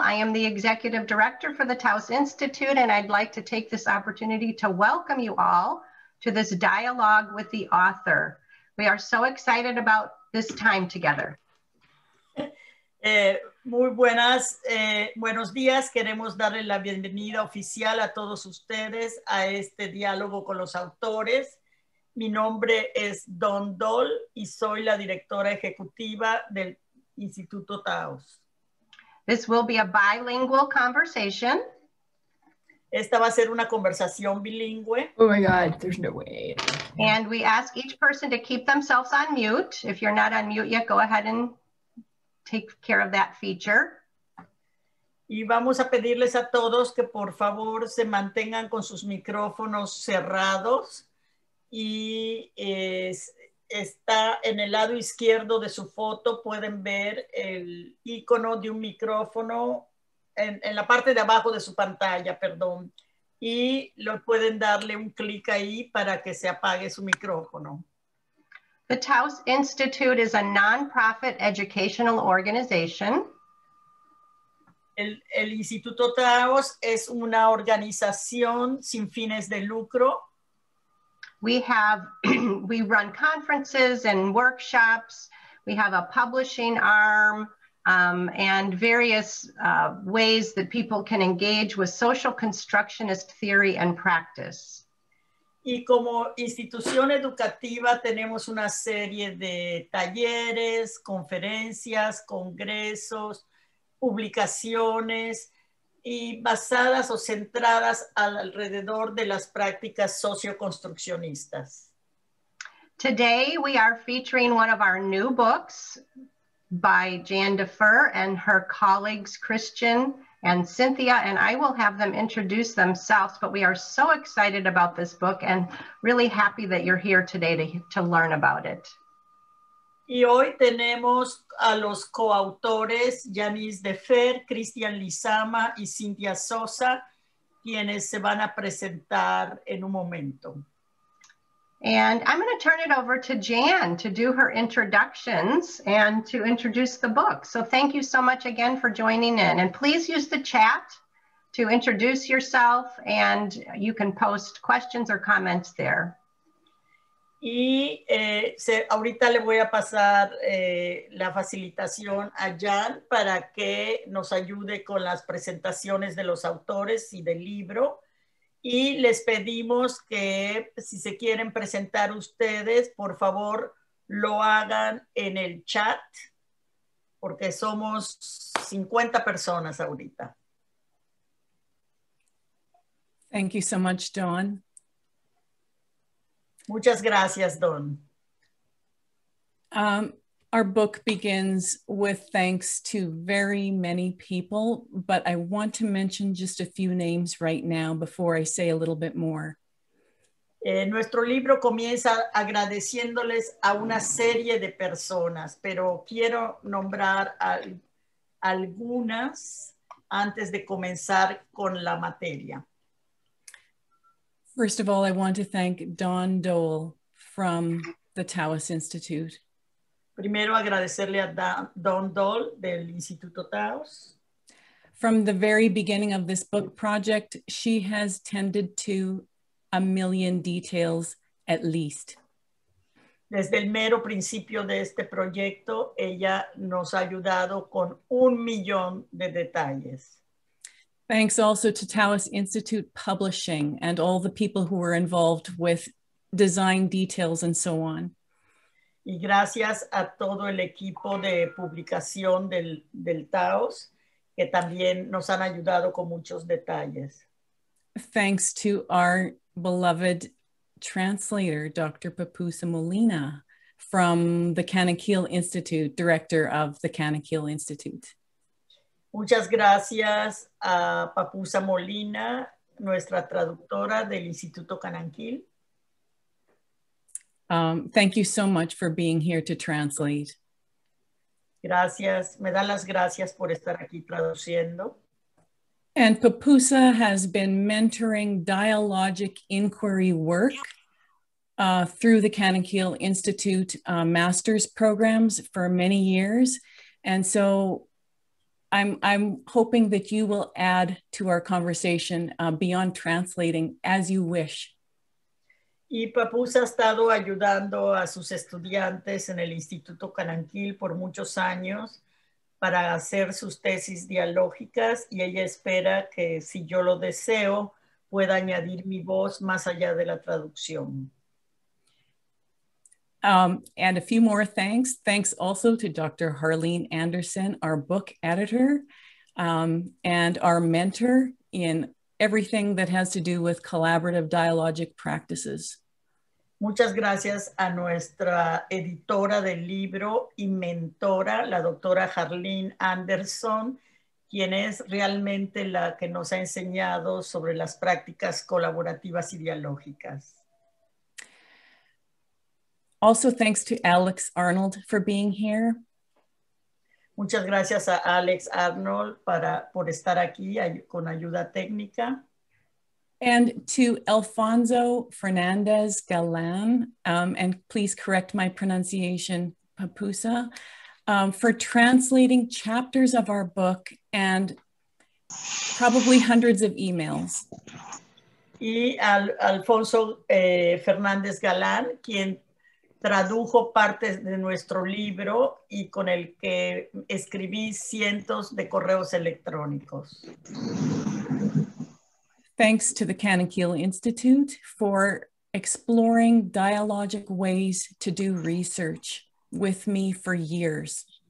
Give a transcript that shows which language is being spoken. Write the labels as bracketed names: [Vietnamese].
[English] I am the Executive Director for the Taos Institute, and I'd like to take this opportunity to welcome you all to this dialogue with the author. We are so excited about this time together. [Spanish] Buenos días. Queremos darle la bienvenida oficial a todos ustedes a este diálogo con los autores. Mi nombre es Dawn Dole y soy la directora ejecutiva del Instituto Taos. [English] This will be a bilingual conversation. [Spanish] Esta va a ser una conversación bilingüe. [English] Oh my God, there's no way. And we ask each person to keep themselves on mute. If you're not on mute yet, go ahead and take care of that feature. [Spanish] Y vamos a pedirles a todos que por favor se mantengan con sus micrófonos cerrados y está en el lado izquierdo de su foto, pueden ver el icono de un micrófono en la parte de abajo de su pantalla, perdón, y lo pueden darle un clic ahí para que se apague su micrófono. [English] The Taos Institute is a non-profit educational organization. [Spanish] El Instituto Taos es una organización sin fines de lucro. [English] We run conferences and workshops. We have a publishing arm and various ways that people can engage with social constructionist theory and practice. [Spanish] Y como institución educativa tenemos una serie de talleres, conferencias, congresos, publicaciones y basadas o centradas alrededor de las prácticas socioconstruccionistas. [English] Today we are featuring one of our new books by Jan Defer and her colleagues Christian and Cynthia, and I will have them introduce themselves, but we are so excited about this book and really happy that you're here today to learn about it. [Spanish] Y hoy tenemos a los coautores Janice Defer, Christian Lizama y Cynthia Sosa, quienes se van a presentar en un momento. [English] And I'm going to turn it over to Jan to do her introductions and to introduce the book. So thank you so much again for joining in. And please use the chat to introduce yourself and you can post questions or comments there. [Spanish] Y ahorita le voy a pasar la facilitación a Jan para que nos ayude con las presentaciones de los autores y del libro. Y les pedimos que si se quieren presentar ustedes, por favor, lo hagan en el chat, porque somos 50 personas ahorita. [English] Thank you so much, Dawn. [Spanish] Muchas gracias, Dawn. [English] Our book begins with thanks to very many people, but I want to mention just a few names right now before I say a little bit more. [Spanish] Nuestro libro comienza agradeciéndoles a una serie de personas, pero quiero nombrar algunas antes de comenzar con la materia. [English] First of all, I want to thank Dawn Dole from the Taos Institute. [Spanish] Primero, agradecerle a Dawn Dole del Instituto Taos. [English] From the very beginning of this book project, she has tended to a million details at least. [Spanish] Desde el mero principio de este proyecto, ella nos ha ayudado con un millón de detalles. [English] Thanks also to Taos Institute Publishing and all the people who were involved with design details and so on. [Spanish] Y gracias a todo el equipo de publicación del Taos, que también nos han ayudado con muchos detalles. [English] Thanks to our beloved translator, Dr. Papusa Molina, from the Canakil Institute, director of the Canakil Institute. [Spanish] Muchas gracias a Papusa Molina, nuestra traductora del Instituto Canakil. [English] Thank you so much for being here to translate. [Spanish] Gracias. Me dan las gracias por estar aquí traduciendo. [English] And Papusa has been mentoring dialogic inquiry work through the Canakil Institute master's programs for many years. And so I'm hoping that you will add to our conversation beyond translating as you wish. [Spanish] Y Papus ha estado ayudando a sus estudiantes en el Instituto Cananquil por muchos años para hacer sus tesis dialógicas y ella espera que, si yo lo deseo, pueda añadir mi voz más allá de la traducción. [English] And a few more thanks. Thanks also to Dr. Harlene Anderson, our book editor and our mentor in everything that has to do with collaborative dialogic practices. [Spanish] Muchas gracias a nuestra editora del libro y mentora, la doctora Harlene Anderson, quien es realmente la que nos ha enseñado sobre las prácticas colaborativas y dialógicas. [English] Also, thanks to Alex Arnold for being here. [Spanish] Muchas gracias a Alex Arnold por estar aquí con ayuda técnica. [English] And to Alfonso Fernandez Galán, and please correct my pronunciation, Papusa, for translating chapters of our book and probably hundreds of emails. [Spanish] Y al Alfonso Fernandez Galán, quien tradujo partes de nuestro libro y con el que escribí cientos de correos electrónicos. [English] Thanks to the Cananquil Institute for exploring dialogic ways to do research with me for years.